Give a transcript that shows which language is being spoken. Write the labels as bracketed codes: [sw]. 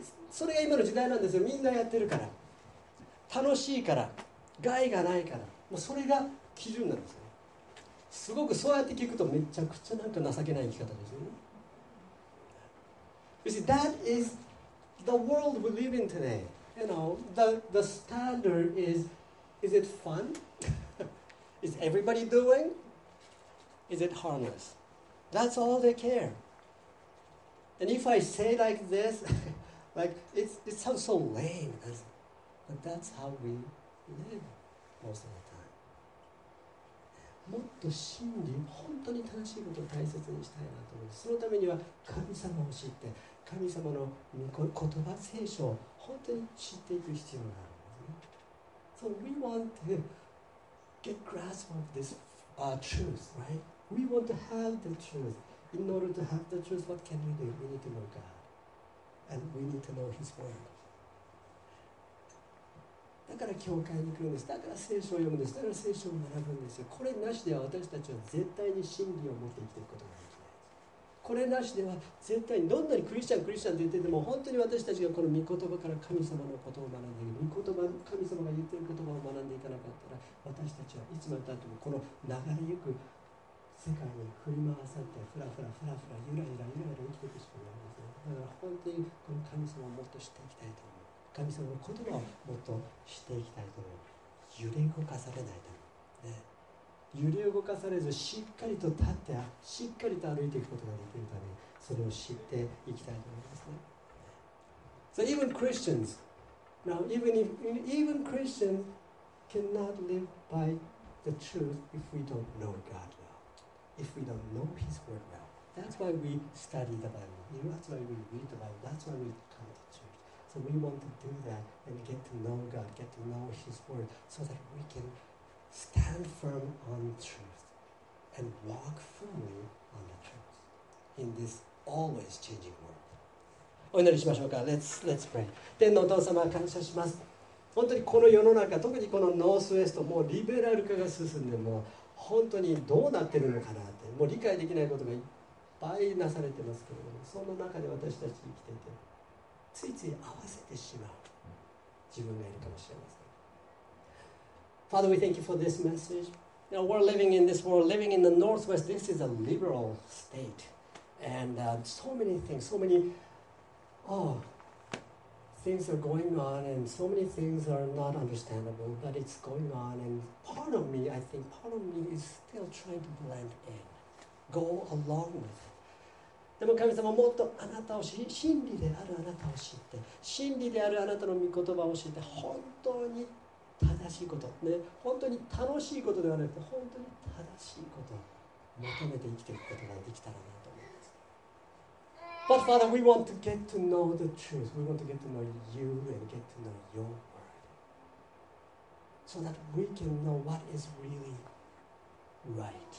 [ja] それが今の時代なんですよ。みんなやってるから。楽しいから。害がないから。もうそれが基準なんですよ。すごくそうやって聞くとめちゃくちゃなんか情けない生き方ですよね。 [en] You see, that is the world we live in today. You know, the standard is it fun? Is everybody doing? Is it harmless? That's all they care. And if I say like this, like it sounds so lame, doesn't it? But that's how we live most of the time. [ja] もっと真理、本当に正しいことを大切にしたいなと思う。そのためには神様を知って、神様の言葉、聖書を本当に知っていく必要があるんですね。 [en] So we want to get grasp of this truth, right? We want to have the truth. In order to have the truth, what can we do? We need to know God. And we need to know His word. [ja] だから教会に来るんです。だから聖書を読むんです。だから聖書を学ぶんですよ。これなしでは私たちは絶対に真理を持って生きていくことができないです。これなしでは絶対に、どんなにクリスチャンと言ってても、本当に私たちがこの御言葉から神様のことを学んでいく、御言葉、神様が言っている言葉を学んでいかなかったら、私たちはいつまでたってもこの流れゆく世界に振り回されて、フラフラ、ゆらゆらゆらゆら生きていくしかないんですね。だから本当にこの神様をもっと知っていきたいと思う。神様の言葉をもっと知っていきたいと思う。揺れ動かされないと思う、ね。揺れ動かされず、しっかりと立って、しっかりと歩いていくことができるために、それを知っていきたいと思いますね。 [en] So even Christians, now even Christians cannot live by the truth if we don't know God. If we don't know His word well, that's why we study the Bible. You know, that's why we read the Bible. That's why we come to church. So we want to do that and get to know God, get to know His word, so that we can stand firm on truth and walk firmly on the truth in this always changing world. [ja] お祈りしましょうか。 [en] Let's pray. [ja] 天のお父様、感謝します。本当にこの世の中、特にこのノースウェスト、もうリベラル化が進んで、もう本当にどうなってるのかなって、もう理解できないことがいっぱいなされてますけれども、その中で私たち生きていて、ついつい合わせてしまう自分がいるかもしれません。 [en] Father, we thank you for this message. Now, we're living in this world, living in the Northwest. This is a liberal state. And so many things, so many, oh, things are going on and so many things are not understandable, but it's going on and part of me, I think part of me is still trying to blend in, go along with it. [ja] でも神様もっとあなたを知り、真理であるあなたを知って、真理であるあなたの御言葉を知って、本当に正しいこと、ね、本当に楽しいことではなくて、本当に正しいことを求めて生きていくことができたらなと思います。 [en] But Father, we want to get to know the truth. We want to get to know you and get to know your word. So that we can know what is really right.